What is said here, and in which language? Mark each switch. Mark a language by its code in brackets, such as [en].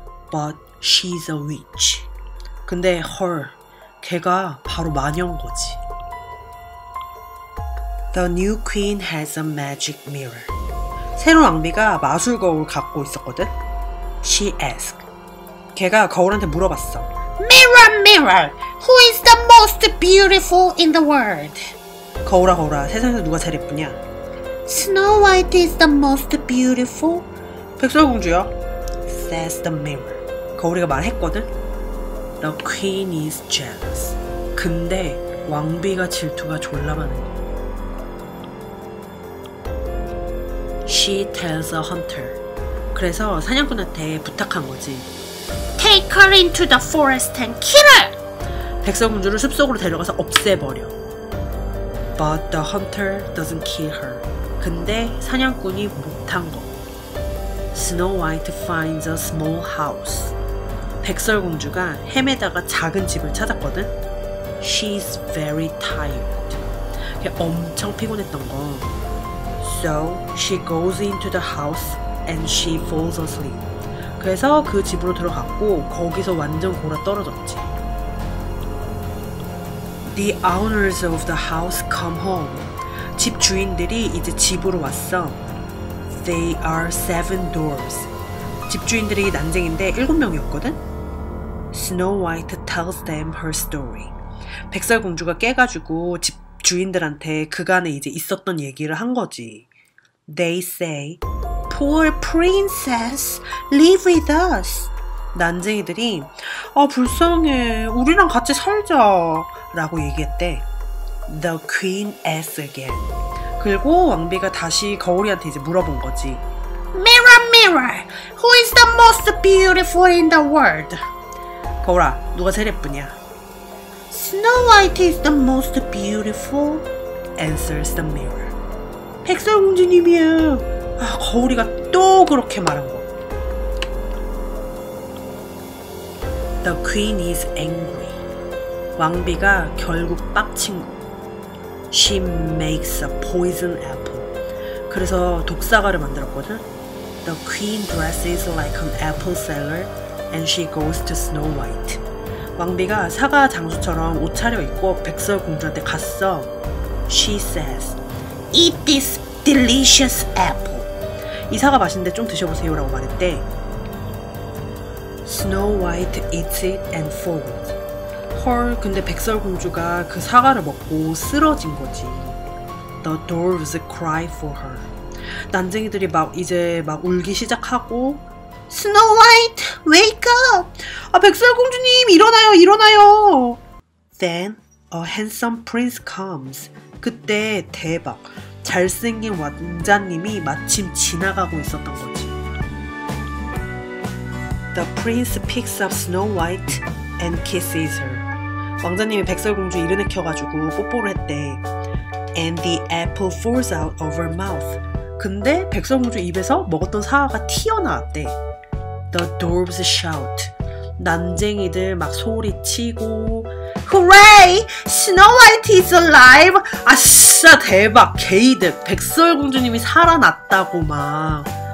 [en] But she's a witch. [ko] 근데 헐, 걔가 바로 마녀인 거지. [en] The new queen has a magic mirror. [ko] 새로운 왕비가 마술 거울 갖고 있었거든. [en] She asked. [ko] 걔가 거울한테 물어봤어. [en] Mirror, mirror, who is the most beautiful in the world? [ko] 거울아, 거울아, 세상에서 누가 제일 예쁘냐? [en] Snow White is the most beautiful. [ko] 백설공주야. [en] Says the mirror. [ko] 거울이가 말했거든. [en] The queen is jealous. [ko] 근데 왕비가 질투가 졸라 많은 거야. [en] She tells a hunter. [ko] 그래서 사냥꾼한테 부탁한 거지. [en] Take her into the forest and kill her! [ko] 백설공주를 숲속으로 데려가서 없애버려. [en] But the hunter doesn't kill her. [ko] 근데 사냥꾼이 못한 거. [en] Snow White finds a small house. [ko] 백설공주가 헤매다가 작은 집을 찾았거든. [en] She's very tired. [ko] 걔 엄청 피곤했던 거. [en] So she goes into the house and she falls asleep. [ko] 그래서 그 집으로 들어갔고 거기서 완전 골아 떨어졌지. [en] The owners of the house come home. [ko] 집 주인들이 이제 집으로 왔어. [en] They are seven dwarfs. [ko] 집 주인들이 난쟁인데 일곱 명이었거든. [en] Snow White tells them her story. [ko] 백설공주가 깨가지고 집 주인들한테 그간에 이제 있었던 얘기를 한 거지. [en] They say, Poor princess, live with us. [ko] 난쟁이들이, 아, 불쌍해. 우리랑 같이 살자. 라고 얘기했대. [en] The queen asks again. [ko] 그리고 왕비가 다시 거울이한테 이제 물어본 거지. [en] Mirror, mirror, who is the most beautiful in the world? [ko] 거울아, 누가 제일 예쁘냐? [en] Snow White is the most beautiful, answers the mirror. [ko] 백설공주님이야. 아, 거울이가 또 그렇게 말한 거. [en] The queen is angry. [ko] 왕비가 결국 빡친 거. [en] She makes a poison apple. [ko] 그래서 독사과를 만들었거든. [en] The queen dresses like an apple seller and she goes to Snow White. [ko] 왕비가 사과 장수처럼 옷 차려입고 백설공주한테 갔어. [en] She says, Eat this delicious apple. [ko] 이 사과 맛있는데 좀 드셔보세요 라고 말했대. [en] Snow White eats it and falls. [ko] 헐, 근데 백설공주가 그 사과를 먹고 쓰러진 거지. [en] The dwarves cry for her. [ko] 난쟁이들이 막 울기 시작하고, [en] Snow White, wake up! [ko] 아, 백설공주님, 일어나요, 일어나요! [en] Then a handsome prince comes. [ko] 그때 대박, 잘생긴 왕자님이 마침 지나가고 있었던 거지. [en] The prince picks up Snow White and kisses her. [ko] 왕자님이 백설공주 이름을 켜가지고 뽀뽀를 했대. [en] And the apple falls out of her mouth. [ko] 근데 백설공주 입에서 먹었던 사과가 튀어나왔대. [en] The dwarves shout. [ko] 난쟁이들 막 소리치고. [en] Hooray! Snow White is alive! [ko] 아싸, 대박! 게이드! 백설공주님이 살아났다고, 막.